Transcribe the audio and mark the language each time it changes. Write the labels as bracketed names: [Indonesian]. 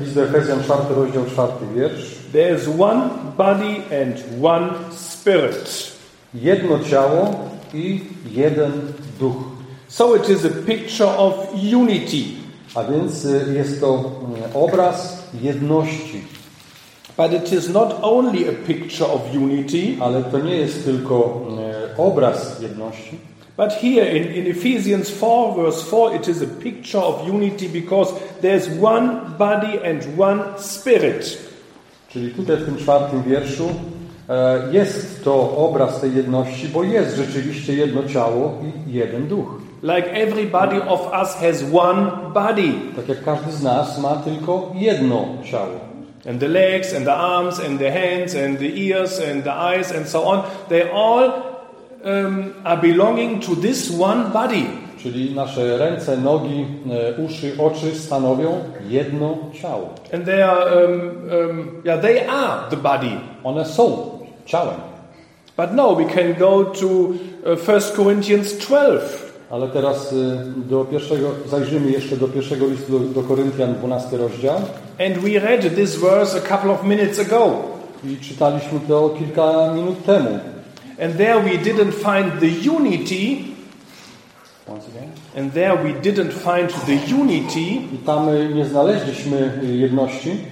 [Polish] List do Efezjan, 4 rozdział, 4 wiersz. [English] There is one body and one spirit. [Polish] Jedno ciało i jeden duch. [English] So it is a picture of unity. [Polish] A więc jest to obraz jedności. [English] But it is not only a picture of unity, [Polish] ale to nie jest tylko obraz jedności. [English] But here in Ephesians 4 verse 4 it is a picture of unity because there's one body and one spirit. [Polish] Czyli tutaj w tym czwartym wierszu jest to obraz tej jedności, bo jest rzeczywiście jedno ciało i jeden duch. [English] Like everybody of us has one body. [Polish] Tak jak każdy z nas ma tylko jedno ciało. [English] And the legs and the arms and the hands and the ears and the eyes and so on, they all are belonging to this one body. [Polish] Czyli nasze ręce, nogi, uszy, oczy stanowią jedno ciało. [English] And they are they are the body. [Polish] One są ciałem. [English] But no, we can go to 1 Corinthians 12. [Polish] Ale teraz zajrzymy jeszcze do pierwszego listu do Koryntian, 12 rozdział. [English] And we read this verse a couple of minutes ago. [Polish] I czytaliśmy to kilka minut temu. [English] And there we didn't find the unity. Once again. And there we didn't find the unity. [Polish] I tam nie znaleźliśmy jedności.